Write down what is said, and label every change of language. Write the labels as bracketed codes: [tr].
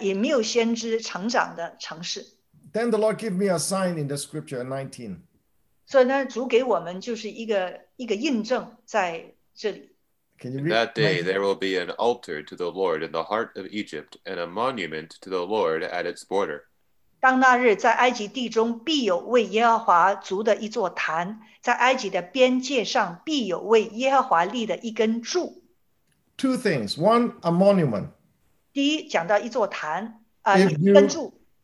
[zh] 就是呢，我们的戴牧师还有呢，以缪先知成长的城市。 [en] Then the Lord gave me a sign in the scripture, 19. [zh] 所以呢，主给我们就是一个印证在这里。Can [en] you read? That day there will be an altar to the Lord in the heart of Egypt, and a monument to the Lord at its border. [zh] 当那日在埃及地中必有为耶和华族的一座坛，在埃及的边界上必有为耶和华立的一根柱。Two [en] things. One, a monument. [zh] 第一，讲到一座坛，一根柱。